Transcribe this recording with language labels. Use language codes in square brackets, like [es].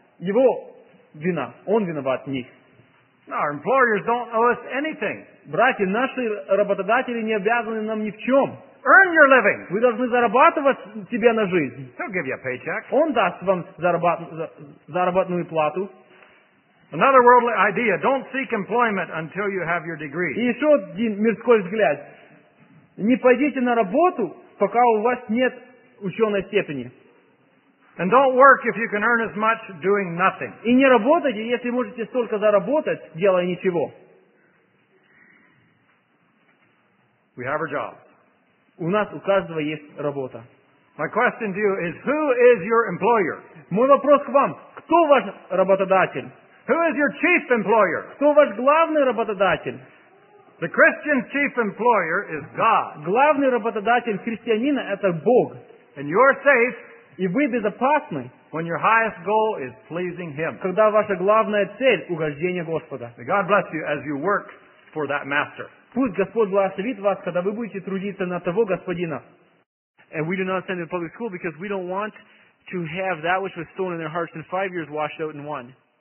[ru] Его вина. Он виноват в них. [en] Our employers don't owe us anything. [ru] Братья, наши работодатели не обязаны нам ни в чем. [en] Earn your living. [ru] Вы должны зарабатывать себе на жизнь. [en] He'll give you a paycheck. [ru] Он даст вам заработную плату. [en] Another worldly idea. Don't seek employment until you have your degree. [ru] И еще один мирской взгляд. Не пойдите на работу, пока у вас нет ученой степени. [en] And don't work if you can earn as much doing nothing. [ru] И не работайте, если можете столько заработать, делая ничего. [en] We have our jobs. [ru] У нас у каждого есть работа. [en] My question to you is, who is your employer? [ru] Мой вопрос к вам: кто ваш работодатель? [en] Who is your chief employer? [ru] Кто ваш главный работодатель? [en] The Christian's chief employer is God. [ru] Главный работодатель христианина – это Бог. [en] And you're safe. [ru] И вы безопасны. [en] When your highest goal is pleasing Him. [ru] Когда ваша главная цель – угождение Господа. [en] May God bless you as you work for that master. [ru] Пусть Господь благословит вас, когда вы будете трудиться на того господина. [en] And we do not send them to public school because we don't want to have that which was stolen in their hearts in 5 years washed out in one.